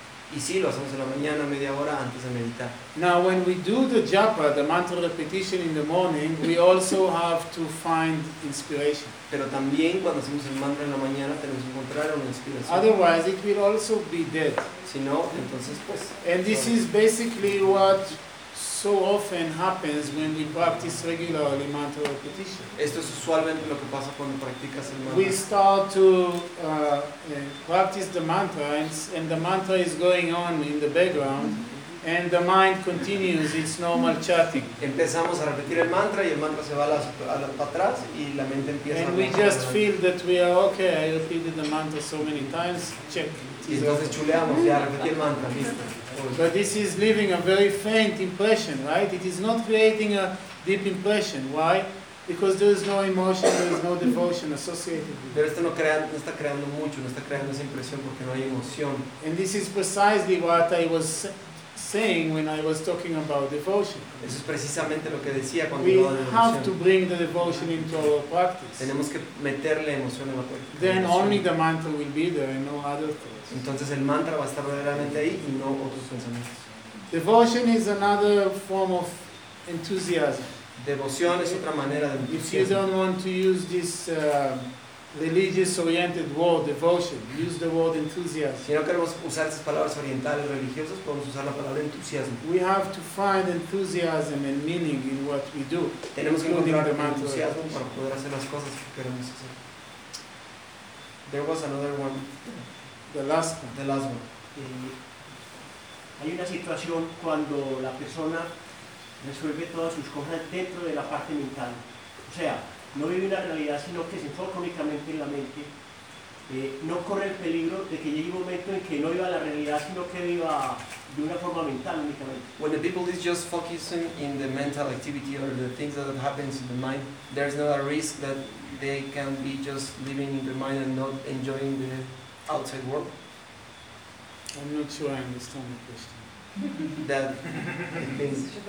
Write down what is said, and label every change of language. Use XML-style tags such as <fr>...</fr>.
<es>Y sí, lo hacemos en la mañana, media hora antes de meditar.</es> <en>Now, when we do the japa, the mantra repetition in the morning, we also have to find inspiration.</en> <es>Pero también cuando hacemos el mantra en la mañana, tenemos que encontrar una inspiración.</es> <en>Otherwise, it will also be dead.</en> <es>Si no, entonces pues.</es> <en>And this is basically what so often happens when we practice regularly mantra repetition.</en> <es>Esto es usualmente lo que pasa cuando practicas el mantra.</es> <en>We start to practice the mantra, and the mantra is going on in the background, and the mind continues its normal chatting.</en> <es>Empezamos a repetir el mantra se va a la para atrás y la mente empieza.</es> <en>And a we just feel that we are okay. I repeated the mantra so many times. Check.</en> <es>Y entonces chuleamos ya repetí el mantra. Listo.</es> <en>But this is leaving a very faint impression, right? It is not creating a deep impression. Why? Because there is no emotion, there is no devotion associated with it.</en> <es>Pero esto no está creando mucho, no está creando esa impresión porque no hay emoción.</es> <en>And this is precisely what I was saying when I was talking about devotion.</en> <es>Eso es precisamente lo que decía cuando hablaba de devoción.</es> <en>We have to bring the devotion into our practice.</en> <es>Tenemos que meterle emoción a la práctica.</es> <en>Then only the mantra will be there and no other thing.</en> <es>Entonces el mantra va a estar verdaderamente ahí y no otros pensamientos.</es> <en>Devotion is another form of enthusiasm.</en> <es>Devoción es otra manera de entusiasmo.</es> <en>If you don't want to use this religious-oriented word, devotion, use the word enthusiasm.</en> <es>Si no queremos usar esas palabras orientales religiosas, podemos usar la palabra entusiasmo.</es> <en>We have to find enthusiasm and meaning in what we do.</en> <es>Tenemos que encontrar el entusiasmo para poder hacer las cosas que queremos hacer.</es> <en>There was another one. The last one.</en> <es>Hay una situación cuando la persona resuelve todas sus cosas dentro de la parte mental. O sea, no vive la realidad, sino que se enfoca únicamente en la mente. No corre el peligro de que llegue un momento en que no viva la realidad, sino que viva de una forma mental únicamente.</es> <en>When the people is just focusing in the mental activity or the things that happens in the mind, there's not a risk that they can be just living in the mind and not enjoying the outside world. I'm not sure I understand the question. That means</en>